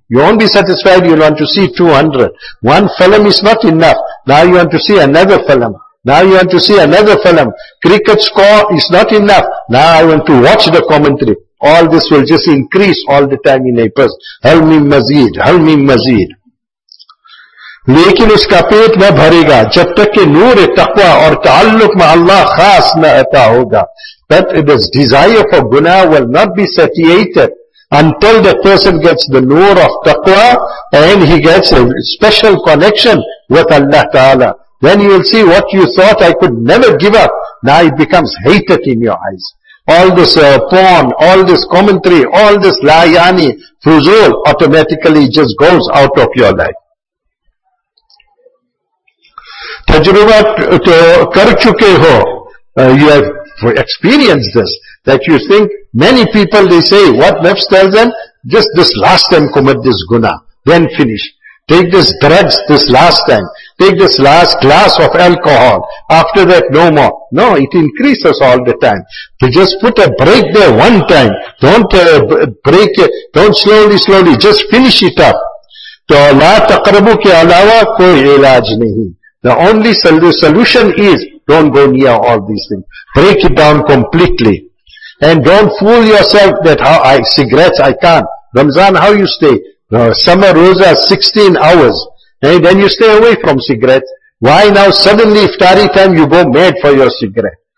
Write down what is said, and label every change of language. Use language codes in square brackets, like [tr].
[en] You won't be satisfied you want to see 200. One film is not enough. Now you want to see another film. Now you want to see another film. Cricket score is not enough. Now I want to watch the commentary. All this will just increase all the time in a person. [ar] Halmi mazid, halmi mazid. [ur] لیکن اس کا پیٹ نہ بھرے گا جب تک کہ نور تقوی اور تعلق میں اللہ خاص نہ عطا ہوگا. [en] But this desire for guna will not be satiated until the person gets the nur of taqwa and he gets a special connection with Allah Ta'ala. Then you will see what you thought I could never give up. Now it becomes hated in your eyes. All this porn, all this commentary, all this layani, fuzul, automatically just goes out of your life. [ur] تجربہ تو کر چکے ہو. [en] You have experienced this, that you think, many people they say, what nafs tells them, just this last time commit this guna, then finish. Take this drugs this last time, take this last glass of alcohol, after that no more. No, it increases all the time. You just put a break there one time, don't break it, don't slowly, just finish it up. [ur] تو [ar] لا تقربو [ur] کے علاوہ کوئی علاج نہیں. [en] The only solution is, don't go near all these things. Break it down completely. And don't fool yourself that cigarettes, I can't. Ramzan, how you stay? Summer roza, 16 hours. And then you stay away from cigarettes. Why now suddenly iftari time you go mad for your cigarette?